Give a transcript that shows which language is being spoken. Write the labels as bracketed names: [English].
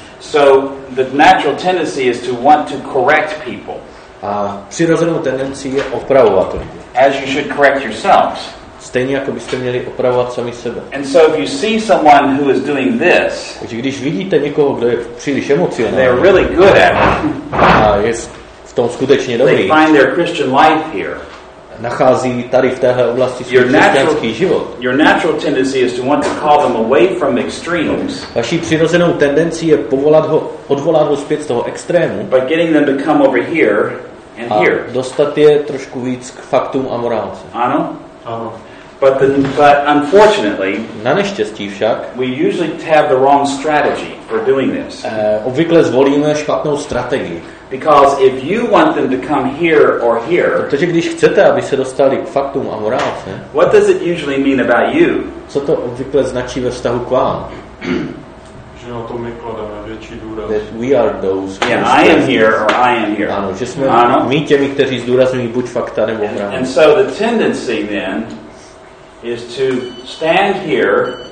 [English] So the natural tendency is to want to correct people. [Czech] A přirozenou tendenci je opravovat lidi. [English] As you should correct yourselves. [Czech] Stejně jako byste měli opravovat sami sebe. [English] And so if you see someone who is doing this, [Czech] když vidíte někoho, kdo je příliš emocionální, [English] they're really good at it. [Czech] A je v tom skutečně dobrý. [English] They find their Christian life here. [Czech] nachází tady v téhle oblasti svůj křesťanský život. [English] Your natural tendency is to want to call them away from extremes. [Czech] Vaší přirozenou tendencí je odvolat ho zpět z toho extrému. [English] But getting them to come over here and here. [Czech] Dostat je trošku víc k faktům a morálce. Ano? Ano. [English] But unfortunately, [Czech] na neštěstí však, [English] we usually have the wrong strategy for doing this. [Czech] Obvykle zvolíme špatnou strategii. [English] Because if you want them to come here or here, [Czech] protože když chcete, aby se dostali k faktům a morálce, [English] what does it usually mean about you? [Czech] Co to obvykle značí ve vztahu k vám? Že na to my klademe větší důraz. [English] That we are those. Yeah, I am here or I am here. [Czech] Ano, že jsme my těmi, kteří zdůrazňují buď fakta nebo morálce. [English] And so the tendency then is to stand here.